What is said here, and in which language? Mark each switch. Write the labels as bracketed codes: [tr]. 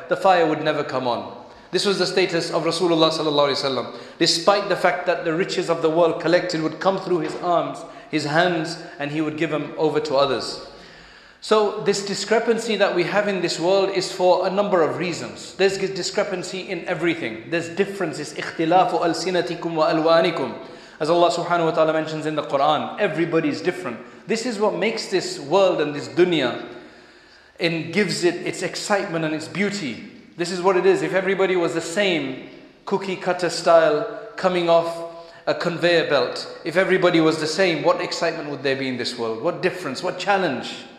[en] The fire would never come on. This was the status of Rasulullah sallallahu alaihi wasallam. Despite the fact that the riches of the world collected would come through his arms, his hands, and he would give them over to others. So this discrepancy that we have in this world is for a number of reasons. There's discrepancy in everything. There's differences. [ar] اختلافوا ألسنتكم وألوانكم. [en] As Allah subhanahu wa ta'ala mentions in the Quran, everybody is different. This is what makes this world and this dunya and gives it its excitement and its beauty. This is what it is. If everybody was the same cookie cutter style coming off a conveyor belt, if everybody was the same, what excitement would there be in this world? What difference? What challenge?